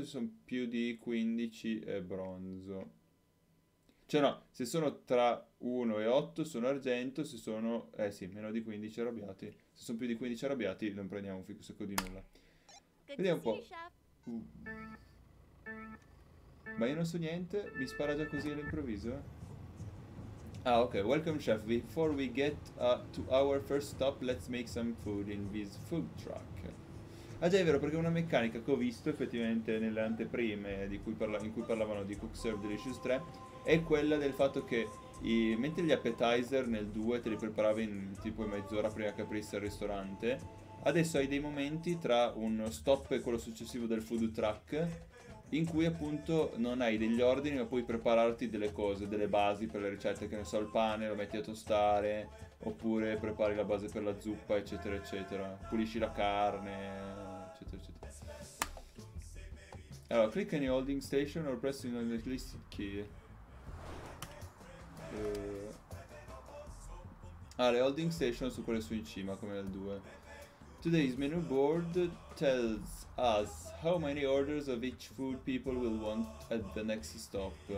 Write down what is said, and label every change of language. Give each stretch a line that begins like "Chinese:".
Italian: Se sono più di 15, è bronzo. Cioè, no, se sono tra 1 e 8, sono argento. Se sono, eh sì, meno di 15 arrabbiati. Se sono più di 15 arrabbiati, non prendiamo un fico secco di nulla.
English: Good to
Italian: Vediamo un
English: see you,
Italian: po'.
English: Chef.
Italian: Ma io non so niente, mi spara già così all'improvviso.
English: Ah, ok, welcome chef. Before we get to our first stop, let's make some food in this food truck.
Italian: Ah già, è vero, perché è una meccanica che ho visto effettivamente nelle anteprime di cui in cui parlavano di Cook Serve Delicious 3, è quella del fatto che mentre gli appetizer nel 2 te li preparavi in tipo mezz'ora prima che aprisse il ristorante, adesso hai dei momenti tra uno stop e quello successivo del food truck, in cui appunto non hai degli ordini, ma puoi prepararti delle cose, delle basi per le ricette, che ne so, il pane lo metti a tostare, oppure prepari la base per la zuppa, eccetera, eccetera. Pulisci la carne, eccetera, eccetera. Allora,
English: click any holding station or press on the list key.
Italian: Ah, le holding station sono quelle su in cima, come nel 2.
English: Today's menu board tells us how many orders of each food people will want at the next stop.